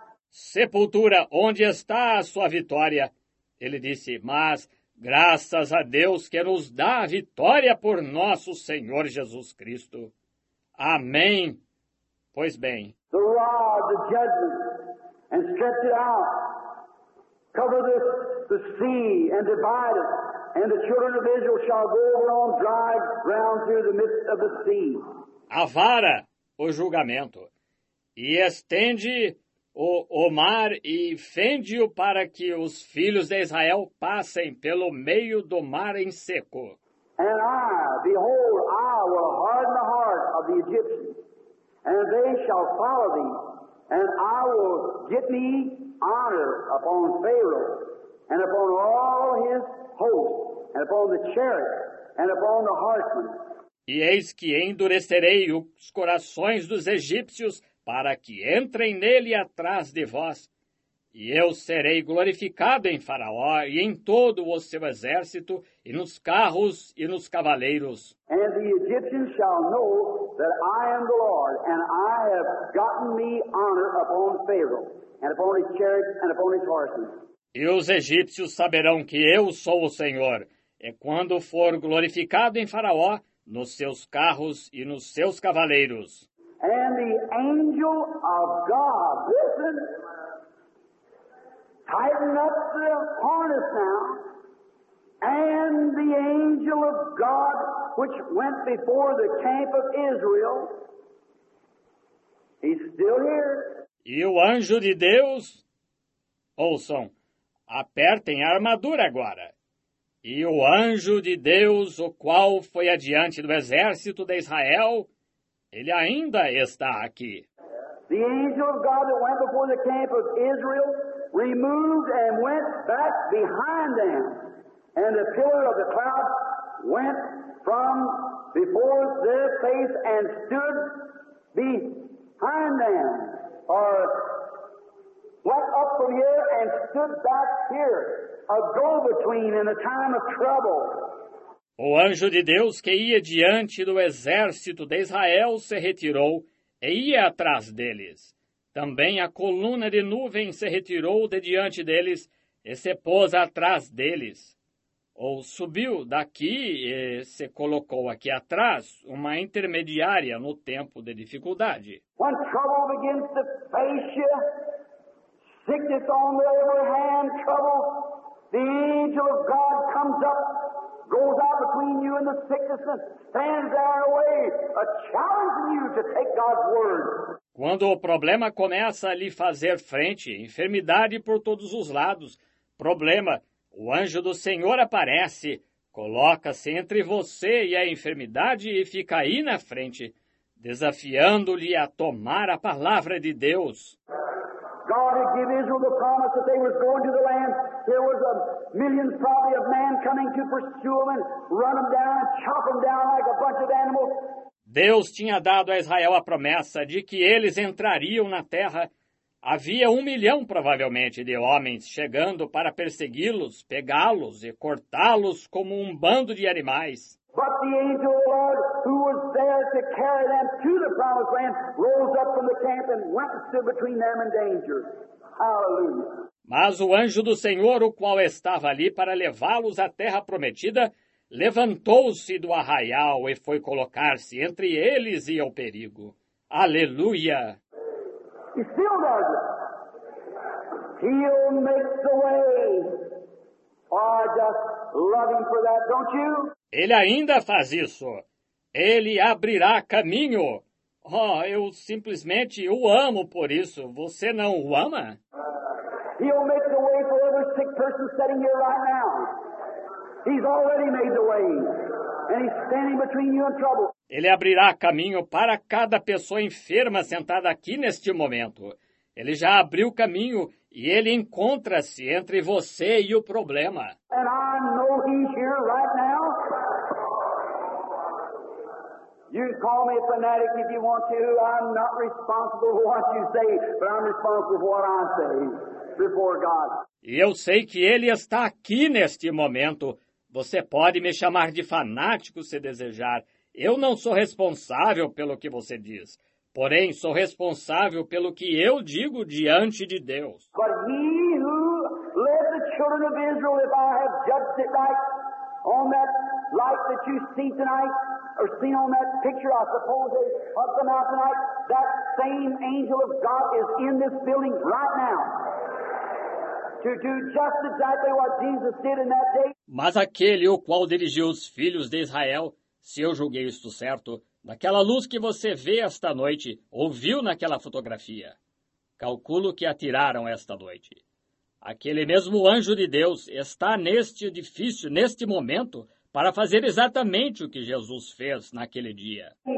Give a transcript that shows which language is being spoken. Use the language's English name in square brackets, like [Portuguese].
[Portuguese] Sepultura, onde está a sua vitória? Ele disse, mas graças a Deus que nos dá a vitória por nosso Senhor Jesus Cristo. Amém. Pois bem. [English] The rod, the judgment, and stretch it out. Cover the sea and divide it, and the children of Israel shall go over on dry ground through the midst of the sea. [Portuguese] A vara, o julgamento, e estende o mar e fende-o para que os filhos de Israel passem pelo meio do mar em seco. [English] And I, behold, I will harden the heart of the Egyptians. And they shall follow thee, and I will get me honor upon Pharaoh, and upon all his host, and upon the chariot, and upon the horsemen. [Portuguese] E eis que endurecerei os corações dos egípcios, para que entrem nele atrás de vós. E eu serei glorificado em Faraó, e em todo o seu exército, e nos carros, e nos cavaleiros. [English] And the Egyptians shall know that I am the Lord, and I have gotten me honor upon Pharaoh, and upon his chariots, and upon his horsemen. [Portuguese] E os egípcios saberão que eu sou o Senhor, e quando for glorificado em Faraó, nos seus carros e nos seus cavaleiros. [English] And the angel of God, listen, tighten up the harness now, and the angel of God, which went before the camp of Israel, he's still here. [Portuguese] E o anjo de Deus, ouçam, apertem a armadura agora. E o anjo de Deus, o qual foi adiante do exército de Israel, ele ainda está aqui. [English] The angel of God that went before the camp of Israel removed and went back behind them, and the pillar of the cloud went from before their face and stood behind them, or went up from here and stood back here, a go-between in a time of trouble. [Portuguese] O anjo de Deus que ia diante do exército de Israel se retirou e ia atrás deles. Também a coluna de nuvem se retirou de diante deles e se pôs atrás deles. Ou subiu daqui e se colocou aqui atrás, uma intermediária no tempo de dificuldade. [English] When trouble begins to face you, sickness on the every hand, trouble, the angel of God comes up, goes out between you and the sickness and stands there away, challenging you to take God's word. [Portuguese] Quando o problema começa a lhe fazer frente, enfermidade por todos os lados, problema, o anjo do Senhor aparece, coloca-se entre você e a enfermidade e fica aí na frente, desafiando-lhe a tomar a palavra de Deus. [English] God had given Israel the promise that they were going to the land. There was a million probably of man coming to pursue them and run them down and chop them down like a bunch of animals. [Portuguese] Deus tinha dado a Israel a promessa de que eles entrariam na terra. Havia 1 milhão, provavelmente, de homens chegando para persegui-los, pegá-los e cortá-los como um bando de animais. [English] But the angel of the Lord, who was there to carry them to the promised land, rose up from the camp and went and stood between them and danger. Hallelujah. [Portuguese] Mas o anjo do Senhor, o qual estava ali para levá-los à terra prometida, levantou-se do arraial e foi colocar-se entre eles e o perigo. Aleluia! [English] He still does it. He'll make the way. Oh, I just love him for that, don't you? [Portuguese] Ele ainda faz isso. Ele abrirá caminho. Oh, eu simplesmente o amo por isso. Você não o ama? [English] He'll make the way for every sick person sitting here right now. He's already made the way, and he's standing between you and trouble. [Portuguese] Ele abrirá caminho para cada pessoa enferma sentada aqui neste momento. Ele já abriu caminho e ele encontra-se entre você e o problema. [English] And I know he's here right now. You can call me a fanatic if you want to. I'm not responsible for what you say, but I'm responsible for what I say before God. [Portuguese] E eu sei que ele está aqui neste momento. Você pode me chamar de fanático se desejar. Eu não sou responsável pelo que você diz. Porém, sou responsável pelo que eu digo diante de Deus. [English] But he who led the children of Israel, if I have judged it right, on that light that you see tonight, or seen on that picture, I suppose they put them out tonight, that same angel of God is in this building right now. To do just exactly what Jesus did in that day. [Portuguese] Mas aquele o qual dirigiu os filhos de Israel, se eu julguei isto certo, daquela luz que você vê esta noite, ouviu naquela fotografia, calculo que atiraram esta noite. Aquele mesmo anjo de Deus está neste edifício, neste momento, para fazer exatamente o que Jesus fez naquele dia.